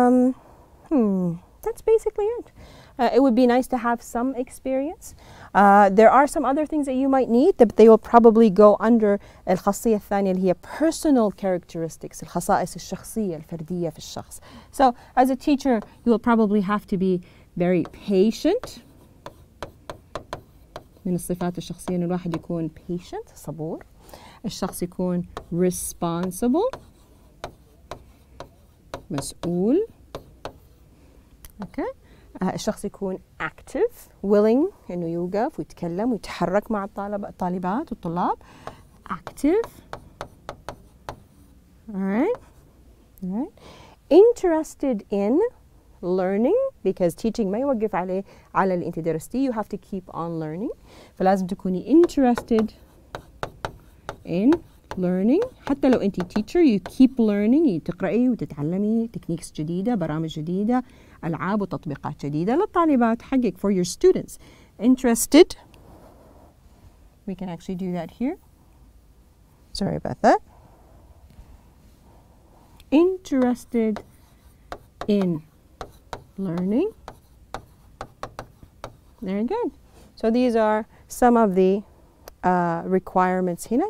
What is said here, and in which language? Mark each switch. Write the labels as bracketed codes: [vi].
[en] That's basically it. It would be nice to have some experience. There are some other things that you might need, but they will probably go under [ar] الخاصية الثانية اللي هي [en] personal characteristics, [ar] الخصائص الشخصية الفردية في الشخص. [en] So, as a teacher, you will probably have to be very patient. [ar] من الصفات الشخصية إن الواحد يكون patient, صبور. الشخص يكون responsible. مسؤول. Okay. الشخص يكون active, willing إنه يوقف ويتكلم ويتحرك مع الطالبات والطلاب. Active. [en] Alright. Interested in learning, because teaching [ar] ما يوقف عليه على اللي انت درستي. [en] You have to keep on learning. [ar] فلازم تكوني [en] interested in learning. [ar] حتى لو انت [en] teacher, you keep learning. [ar] تقرأي وتتعلمي techniques جديدة, برامج جديدة, ألعاب وتطبيقات جديدة للطالبات حقك, [en] for your students. Interested. We can actually do that here. Sorry about that. Interested in learning. Very good. So these are some of the requirements هنا.